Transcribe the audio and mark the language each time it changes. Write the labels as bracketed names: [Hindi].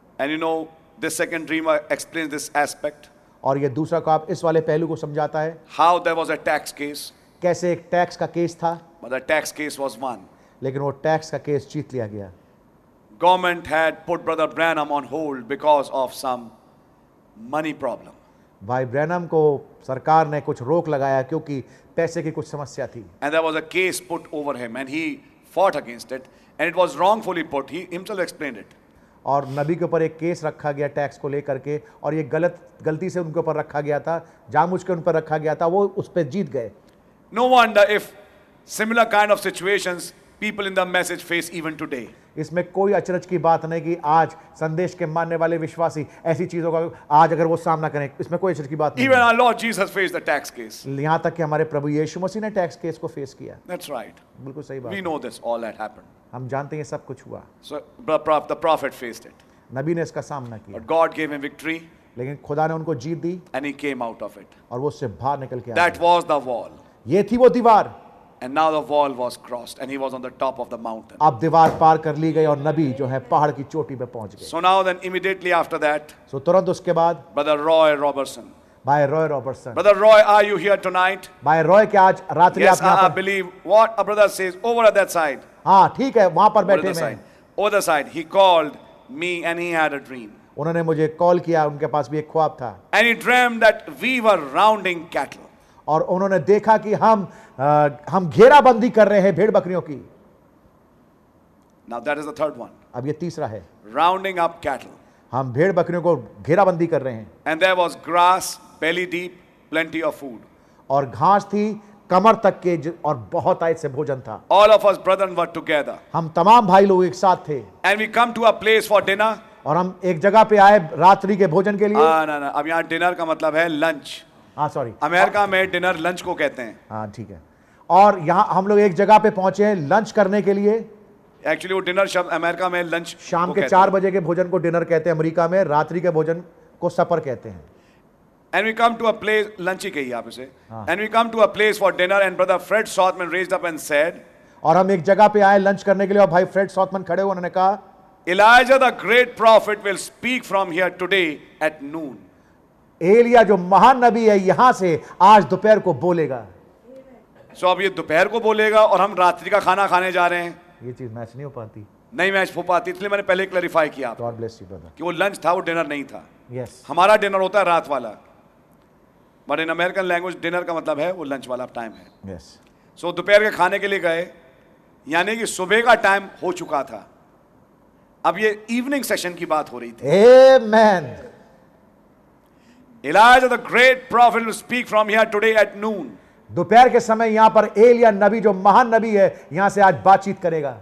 [English] And you know, this second dream explains this aspect. [Hindi] और ये दूसरा ख्वाब इस वाले पहलू को समझाता है. [English] How there was a tax case. [Hindi] कैसे एक टैक्स का केस था. [English] But the tax case was won. [Hindi] लेकिन वो टैक्स का केस जीत लिया गया. [English] Government had put Brother Branham on hold because of some money problem. [Hindi] भाई ब्रैनम को सरकार ने कुछ रोक लगाया क्योंकि पैसे की कुछ समस्या थी. [English] And there was a case put over him and he fought against it and it was wrongfully put. He himself explained it. [Hindi] और नबी के ऊपर एक केस रखा गया टैक्स को लेकर के, और ये गलती से उनके ऊपर रखा गया था, जानबूझ के उन पर रखा गया था. वो उस पर जीत गए. [English] No wonder if similar kind of situations people in the message face even today. [Hindi] इसमें कोई अचरज की बात नहीं कि आज संदेश के मानने वाले विश्वासी ऐसी चीजों का आज अगर वो सामना करें, इसमें कोई अचरज की बात नहीं. [English] Even our Lord Jesus faced the tax case. [Hindi] यहां तक कि हमारे प्रभु यीशु मसीह ने टैक्स केस को फेस किया. [English] That's right. [Hindi] बिल्कुल सही बात. [English] We know this, all that happened. [Hindi] हम जानते हैं सब कुछ हुआ. [English] So, the prophet faced it. [Hindi] नबी ने इसका सामना किया. [English] But God gave him victory. [Hindi] लेकिन खुदा ने उनको जीत दी. [English] And he came out of it. [Hindi] और वो उससे बाहर निकल के आ [English] गया. That was the wall. [Hindi] ये थी वो दीवार. [English] And now the wall was crossed, and he was on the top of the mountain. [Hindi] अब दीवार पार कर ली गई और नबी जो है पहाड़ की चोटी पे पहुंच गए. [English] So now then immediately after that. [Hindi] So तुरंत उसके बाद. [English] Brother Roy Robertson. [Hindi] भाई Roy Robertson. [English] Brother Roy, are you here tonight? [Hindi] भाई रॉय, क्या आज रात्रि आप [English] यहाँ पर? Yes, I believe what a brother says over at that side. [Hindi] हाँ ठीक है, वहाँ पर बैठे हैं. [English] Over the side, he called me and he had a dream. [Hindi] उन्होंने मुझे कॉल किया, उनके पास भी एक ख्वाब था. [English] And he dreamed that we were rounding cattle. [Hindi] और उन्होंने देखा कि हम घेराबंदी कर रहे हैं भेड़ बकरियों की. [English] Now that is the third one. [Hindi] अब ये तीसरा है. [English] Rounding up cattle. [Hindi] हम भेड़ बकरियों को घेराबंदी कर रहे हैं. [English] And there was grass belly deep, plenty of food. [Hindi] और घास थी कमर तक के और बहुत आयत से भोजन था. [English] All of us brethren were together. [Hindi] हम तमाम भाई लोग एक साथ थे. [English] And we come to a place for dinner. [Hindi] और हम एक जगह पे आए रात्रि के भोजन के लिए. ना अब यहाँ डिनर का मतलब है लंच. हाँ सॉरी, अमेरिका में डिनर लंच को कहते हैं. हाँ ठीक है. और यहाँ हम लोग एक जगह पे पहुंचे हैं लंच करने के लिए. एक्चुअली वो डिनर शब्द अमेरिका में लंच, शाम के 4 बजे के भोजन को डिनर कहते हैं, अमेरिका में रात्रि के भोजन को सफर कहते हैं. [English] And we come to a place, [Hindi] lunch ही कही आप इसे. [English] And we come to a place for dinner and brother Fred Sothman raised up and said, [Hindi] और हम एक जगह पे आए लंच करने के लिए और भाई फ्रेड सॉथमैन खड़े हुए, उन्होंने कहा [English] Elijah the great prophet will speak from here today at noon. [Hindi] Elia जो महान नबी है यहां से आज दोपहर को बोलेगा. So अब ये दोपहर को बोलेगा और हम रात्रि का खाना खाने जा रहे हैं. ये चीज मैच नहीं हो पाती. नहीं मैच हो पाती, इसलिए मैंने पहले क्लैरिफाई किया. [English] God bless you, brother. [Hindi] कि वो लंच था, वो डिनर नहीं था. [English] Yes. [Hindi] हमारा डिनर होता है रात वाला, [English] but in American language [Hindi] dinner का मतलब है वो लंच वाला टाइम है. [English] Yes. [Hindi] So, दोपहर के खाने के लिए गए, यानी कि सुबह का टाइम हो चुका था. अब ये इवनिंग सेशन की बात हो रही थी. [English] Amen. Elijah the great prophet will speak from here today at noon. [Hindi] दोपहर के समय यहां पर एलिया नबी जो महान नबी है यहां से आज बातचीत करेगा.